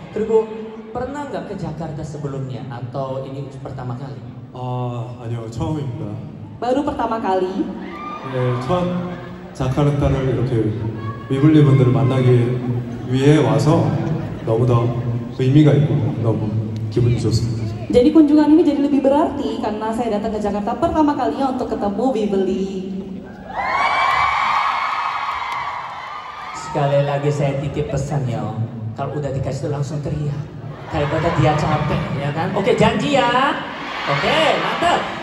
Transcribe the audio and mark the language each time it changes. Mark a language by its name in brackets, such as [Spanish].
[Indonesian] Terus pernah nggak ke Jakarta sebelumnya atau ini pertama kali? [Korean] Aniyo, 처음입니다. [Indonesian] Baru pertama kali. [Korean] 네, 첫 자카르타를 이렇게 위블리 분들을 만나기 위해 와서 너무너무 의미가 있고 너무 기분이 좋습니다. [Indonesian] Jadi kunjungan ini jadi lebih berarti karena saya datang ke Jakarta pertama kalinya untuk ketemu Wiwili. Sekali lagi saya titip pesan ya, kalau udah dikasih itu langsung teriak. Kayak pada dia capek, ya kan? Oke, janji ya. Oke, mantap.